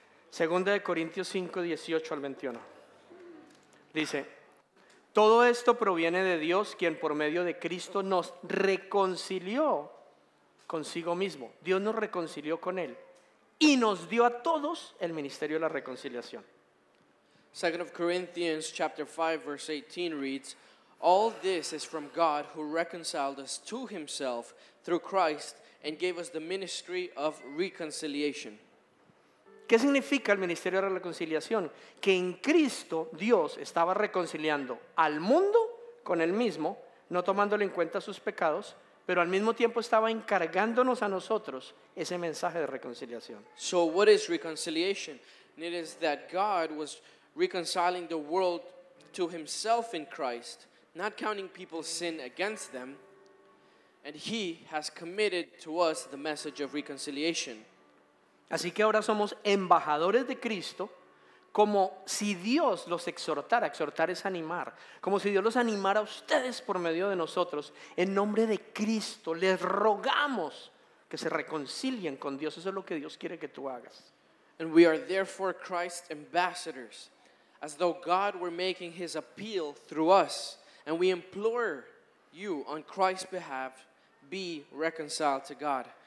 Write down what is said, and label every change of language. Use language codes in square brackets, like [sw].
[es] Segunda de Corintios 5, 18 al 21. Dice, todo esto proviene de Dios, quien por medio de Cristo nos reconcilió consigo mismo. Dios nos reconcilió con Él y nos dio a todos el ministerio de la reconciliación. [en] 2 Corinthians chapter 5, verse 18 reads, all this is from God who reconciled us to himself through Christ and gave us the ministry of reconciliation. [es] ¿Qué significa el ministerio de la reconciliación? Que en Cristo Dios estaba reconciliando al mundo con Él mismo, no tomándole en cuenta sus pecados, pero al mismo tiempo estaba encargándonos a nosotros ese mensaje de reconciliación. [en] So what is reconciliation? It is that God was reconciling the world to himself in Christ, not counting people's sin against them, and he has committed to us the message of reconciliation. [es] Así que ahora somos embajadores de Cristo, como si Dios los exhortara. Exhortar es animar, como si Dios los animara a ustedes por medio de nosotros. En nombre de Cristo les rogamos que se reconcilien con Dios. Eso es lo que Dios quiere que tú hagas. [en] And we are therefore Christ's ambassadors, as though God were making his appeal through us, and we implore you on Christ's behalf, be reconciled to God.